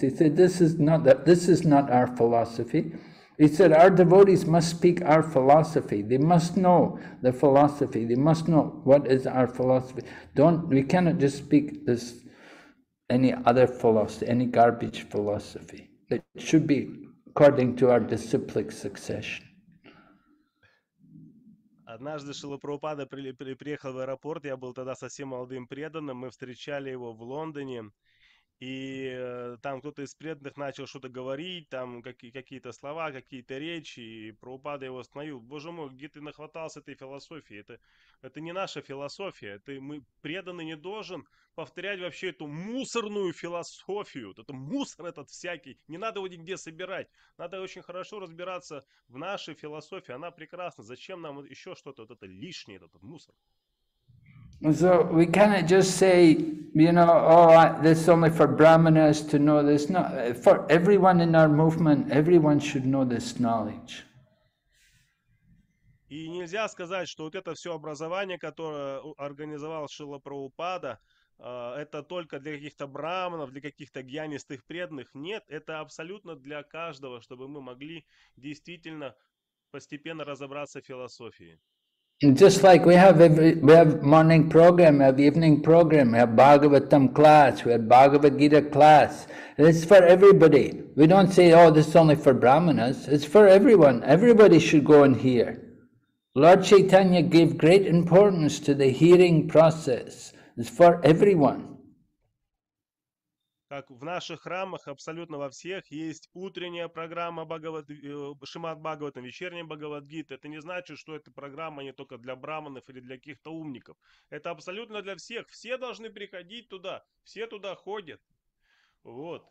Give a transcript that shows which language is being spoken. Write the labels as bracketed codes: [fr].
[en] He said, this is not our philosophy. He said, our devotees must speak our philosophy. They must know the philosophy. They must know what is our philosophy. We cannot just speak this, any other philosophy, any garbage philosophy. It should be according to our disciplic succession. [ru] Однажды Шрила Прабхупада приехал в аэропорт, я был тогда совсем молодым преданным, мы встречали его в Лондоне, и там кто-то из преданных начал что-то говорить, там какие-то слова, какие-то речи, и Прабхупада его остановил. Боже мой, где ты нахватался этой философии? Это не наша философия, мы преданный не должен повторять вообще эту мусорную философию, это мусор этот всякий, не надо его нигде собирать, надо очень хорошо разбираться в нашей философии, она прекрасна, зачем нам еще что-то, вот это лишнее, этот мусор? [en] So we cannot just say, you know, oh, this is only for brahmanas to know this. No, for everyone in our movement, everyone should know this knowledge. [ru] И нельзя сказать, что вот это все образование, которое организовал Шрила Прабхупада, это только для каких-то брахманов, для каких-то гьянистых преданных. Нет, это абсолютно для каждого, чтобы мы могли действительно постепенно разобраться в философии. [en] Just like we have morning program, we have evening program, we have Bhagavatam class, we have Bhagavad Gita class. It's for everybody. We don't say, oh, this is only for brahmanas. It's for everyone. Everybody should go and hear. Lord Chaitanya gave great importance to the hearing process. It's for everyone. [ru] Как в наших храмах, абсолютно во всех, есть утренняя программа Шримад Бхагаватам, вечерняя Бхагавадгита. Это не значит, что эта программа не только для брахманов или для каких-то умников. Это абсолютно для всех. Все должны приходить туда. Все туда ходят. Вот.